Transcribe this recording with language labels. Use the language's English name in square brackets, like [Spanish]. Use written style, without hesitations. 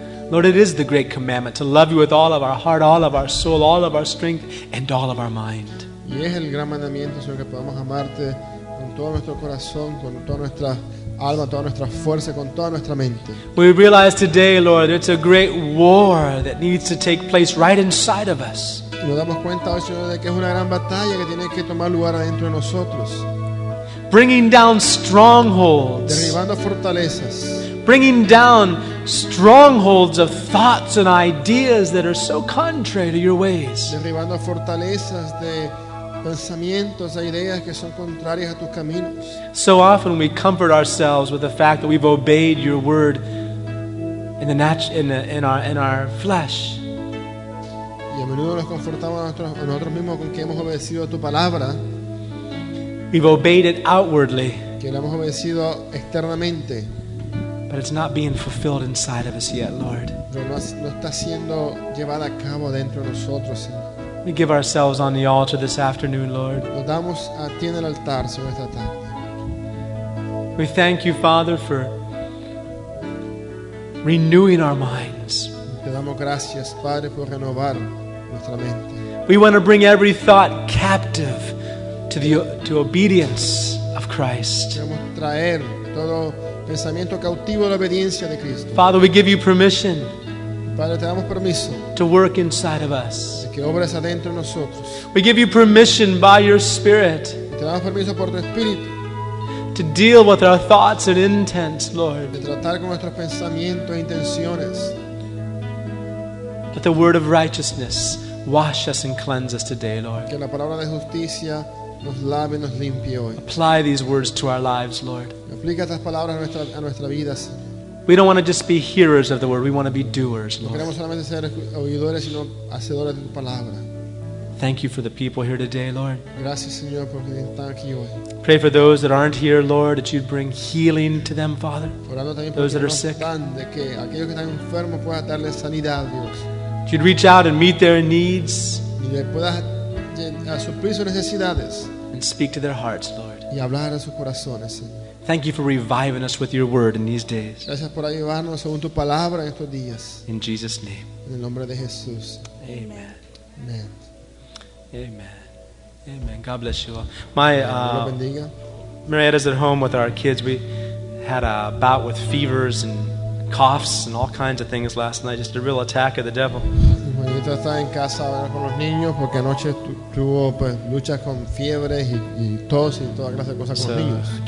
[English] Lord, it is the great commandment to love you with all of our heart, all of our soul, all of our strength, and all of our mind. [Spanish] Y es el gran mandamiento, Señor, que podamos amarte con todo nuestro corazón, con toda nuestra alma, toda nuestra fuerza, con toda nuestra mente. [English] We realize today, Lord, it's a great war that needs to take place right inside of us. [Spanish] Nos damos cuenta hoy, Señor, de que es una gran batalla que tiene que tomar lugar adentro de nosotros. [English] Bringing down strongholds. [Spanish] Derribando fortalezas. [English] Bringing down strongholds of thoughts and ideas that are so contrary to your ways. [Spanish] Derribando fortalezas de pensamientos e ideas que son contrarias a tus caminos. [English] So often we comfort ourselves with the fact that we've obeyed your word in the in our flesh. [Spanish] Y a menudo nos confortamos a nosotros mismos con que hemos obedecido a tu palabra. [English] We've obeyed it outwardly. [Spanish] Que la hemos obedecido externamente. [English] But it's not being fulfilled inside of us yet, Lord. [Spanish] No está siendo llevada a cabo dentro de nosotros, Señor. [English] We give ourselves on the altar this afternoon, Lord. [Spanish] Nos damos a ti en el altar, Señor, esta tarde. [English] We thank you, Father, for renewing our minds. [Spanish] Te damos gracias, Padre, por renovar nuestra mente. [English] We want to bring every thought captive to obedience of Christ. [Spanish] Queremos traer todo pensamiento cautivo a la obediencia de Cristo. [English] Father, we give you permission. [Spanish] Padre, te damos permiso. [English] To work inside of us. [Spanish] Que obres adentro de nosotros. [English] We give you permission by your Spirit. [Spanish] Te damos permiso por tu Espíritu. [English] To deal with our thoughts and intents, Lord. [Spanish] De tratar con nuestros pensamientos e intenciones. [English] Let the word of righteousness wash us and cleanse us today, Lord. [Spanish] Que la palabra de justicia nos lave y nos limpie hoy. [English] Apply these words to our lives, Lord. [Spanish] Aplica estas palabras a nuestra vida, Señor. [English] We don't want to just be hearers of the word. We want to be doers, Lord. [Spanish] No queremos solamente ser oidores, sino hacedores de tu palabra. [English] Thank you for the people here today, Lord. [Spanish] Gracias, Señor, porque están aquí hoy. [English] Pray for those that aren't here, Lord, that you'd bring healing to them, Father. [Spanish] Orando también [English] those [Spanish] por [English] that are sick. [Spanish] De que aquellos que están enfermos puedas darle sanidad, Dios. [English] That you'd reach out and meet their needs. [Spanish] Y le puedas suplir sus necesidades. [English] And speak to their hearts, Lord. [Spanish] Y hablar a sus corazones, Señor. [English] Thank you for reviving us with your word in these days. [Spanish] Gracias por ayudarnos según tu palabra en estos días. [English] In Jesus' name. [Spanish] En el nombre de Jesús. [English] Amen. Amen. Amen. Amen. God bless you all. My Marietta's at home with our kids. We had a bout with fevers and coughs and all kinds of things last night. Just a real attack of the devil. [Spanish] Marietta está en casa ahora con los niños porque anoche tuvo luchas con fiebres y tos y toda clase de cosas con los niños.